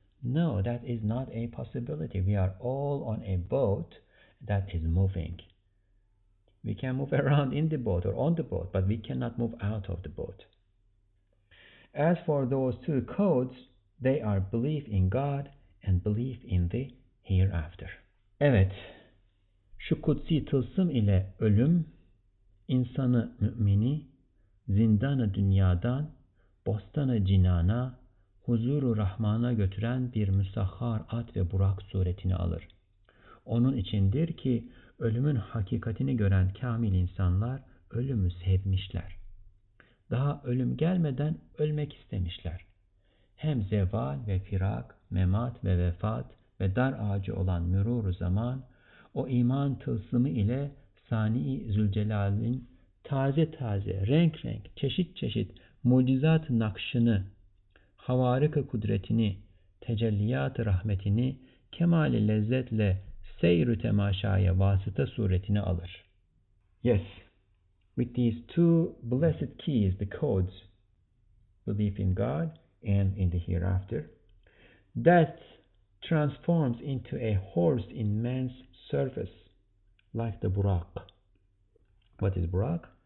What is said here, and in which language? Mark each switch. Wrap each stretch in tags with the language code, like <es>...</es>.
<en>No, that is not a possibility. We are all on a boat that is moving. We can move around in the boat or on the boat, but we cannot move out of the boat. As for those two codes, they are belief in God and belief in the hereafter.</en> <tr>Evet, şu kutsi tılsım ile ölüm, insanı mümini, zindanı dünyadan, bostanı cinana, huzuru rahmana götüren bir müsahhar at ve burak suretini alır. Onun içindir ki, ölümün hakikatini gören kamil insanlar ölümü sevmişler. Daha ölüm gelmeden ölmek istemişler. Hem zeval ve firak, memat ve vefat ve dar ağacı olan mürur-u zaman, o iman tılsımı ile Sani-i Zülcelal'in taze taze, renk renk, çeşit çeşit mucizat nakşını, havarık-ı kudretini, tecelliyat-ı rahmetini, kemal-i lezzetle seyr-ü temaşaya vasıta suretini alır.</tr> <en>Yes. With these two blessed keys, the codes, belief in God and in the hereafter, death transforms into a horse in man's service, like the Burak. What is Burak?</en>